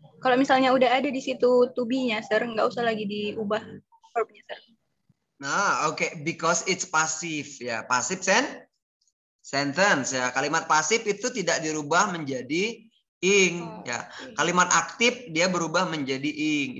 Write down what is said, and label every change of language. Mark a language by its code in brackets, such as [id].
[id] Kalau misalnya udah ada di situ to be-nya, sir, nggak usah lagi diubah verb-nya, sir. [en] Nah, okay, because it's passive, ya, passive sentence, ya. [id] Kalimat pasif itu tidak dirubah menjadi ing, ya. Kalimat aktif dia berubah menjadi ing.